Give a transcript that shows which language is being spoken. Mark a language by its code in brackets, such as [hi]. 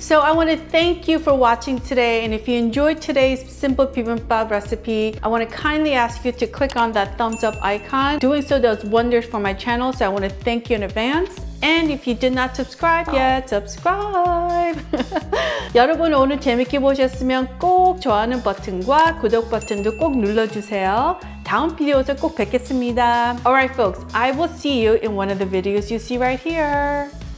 [en] So I want to thank you for watching today. And if you enjoyed today's simple bibimbap recipe, I want to kindly ask you to click on that thumbs up icon. Doing so does wonders for my channel. So I want to thank you in advance. And if you did not subscribe yet, subscribe. [ko] 여러분 오늘 재밌게 보셨으면 꼭 좋아하는 버튼과 구독 버튼도 꼭 눌러주세요. 다음 비디오에서 꼭 뵙겠습니다. [en] All right, folks. I will see you in one of the videos you see right here.